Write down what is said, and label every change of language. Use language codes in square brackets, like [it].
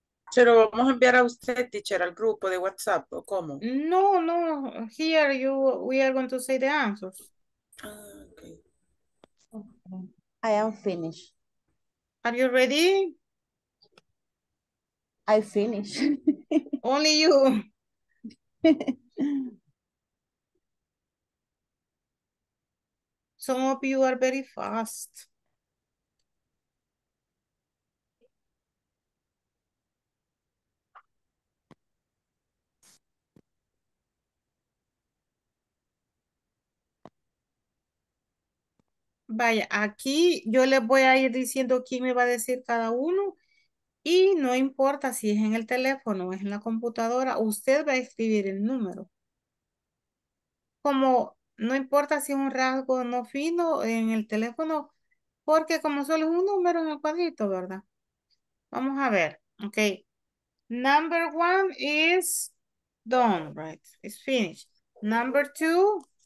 [es] ¿Se lo vamos a enviar a usted, teacher, al grupo de WhatsApp o cómo? No, no. [en] Here we are going to say the answers. Okay. I am finished. Are you ready? I finish. Only you. Some of you are very fast. [es] Vaya, aquí yo les voy a ir diciendo quién me va a decir cada uno y no importa si es en el teléfono o es en la computadora, usted va a escribir el número. Como no importa si es un rasgo no fino en el teléfono, porque como solo es un número en el cuadrito, ¿verdad? Vamos a ver, ok. [en] Number one is done, right? It's finished. Number two,